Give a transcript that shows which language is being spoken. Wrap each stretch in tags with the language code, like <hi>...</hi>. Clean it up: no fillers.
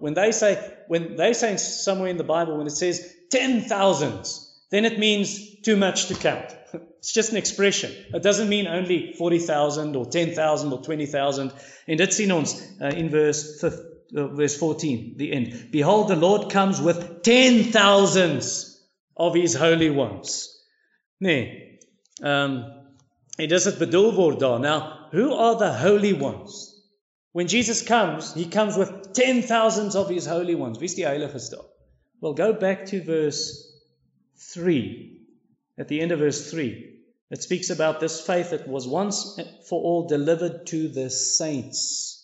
<en>When they say somewhere in the Bible when it says 10,000s, then it means too much to count. It's just an expression. It doesn't mean only 40,000 or 10,000 or 20,000.</en> <af>En dit sien ons in verse 14,</af> <en>the end. Behold, the Lord comes with 10,000s of his holy ones.</en> <af>Nee. En dis het bedoel word daar.</af> <en>Now, who are the holy ones? When Jesus comes, he comes with 10,000s of his holy ones.</en> <af>Wie is die heiliges daar?</af> <en>Well, go back to verse 3. At the end of verse 3, it speaks about this faith that was once for all delivered to the saints.</en>